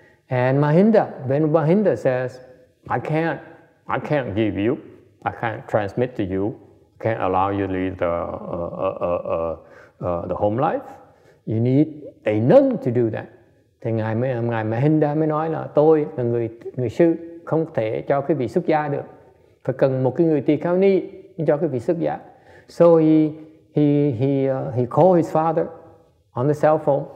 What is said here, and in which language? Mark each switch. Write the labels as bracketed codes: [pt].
[en] And Mahinda says, I can't give you, I can't transmit to you, can't allow you to leave the home life. You need a nun to do that. [vi] Thì ngài Mahinda mới nói là tôi là người sư không thể cho cái vị xuất gia được, phải cần một cái người tỳ kheo ni cho cái vị xuất gia. [en] So he called his father on the cell phone.